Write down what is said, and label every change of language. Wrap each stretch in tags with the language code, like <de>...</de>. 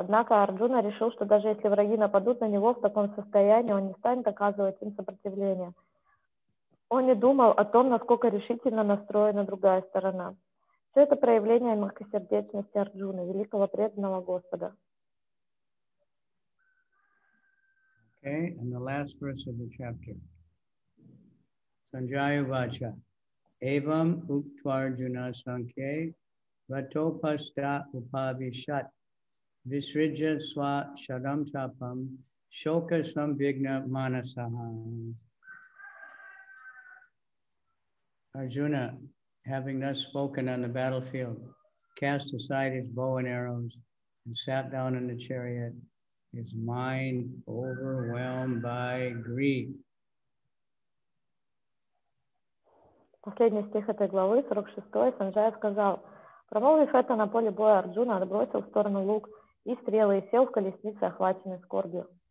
<ru>Однако Арджуна решил, что даже если враги нападут на него в таком состоянии, он не станет оказывать им сопротивление. Он не думал о том, насколько решительно настроена другая сторона. Все это проявление мягкосердечности Арджуны, великого преданного Господа.</ru> <en>Okay, and the last verse of the chapter.</en> <sa>Sanjaya Vacha. Evam Uktvarjuna Sankhe Vatopasta Upavishat Visrija Sva Shadam Chapam Shoka Sambhigna Manasaha.</sa> <en>Arjuna, having thus spoken on the battlefield, cast aside his bow and arrows and sat down in the chariot, his mind overwhelmed by grief.</en> <ru>Последний стих этой главы, 46-й, Санджая сказал, промолвив это на поле боя, Арджуна отбросил в сторону лук и стрелы и сел в колеснице, охваченный скорбью.</ru>